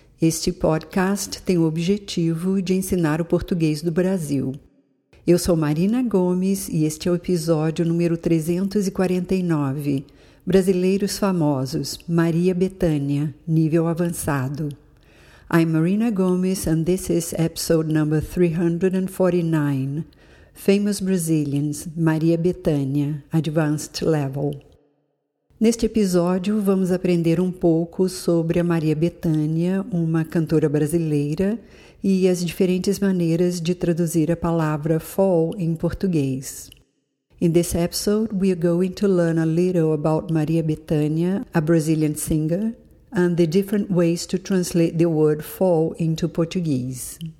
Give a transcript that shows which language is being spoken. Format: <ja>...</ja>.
<pt>Este podcast tem o objetivo de ensinar o português do Brasil. Eu sou Marina Gomes e este é o episódio número 349. Brasileiros famosos, Maria Bethânia, nível avançado.</pt> <en>I'm Marina Gomes and this is episode number 349. Famous Brazilians, Maria Bethânia, Advanced Level.</en> <pt>Neste episódio, vamos aprender um pouco sobre a Maria Bethânia, uma cantora brasileira, e as diferentes maneiras de traduzir a palavra fall em português.</pt> <en>In this episode, we are going to learn a little about Maria Bethânia, a Brazilian singer, and the different ways to translate the word fall into Portuguese.</en>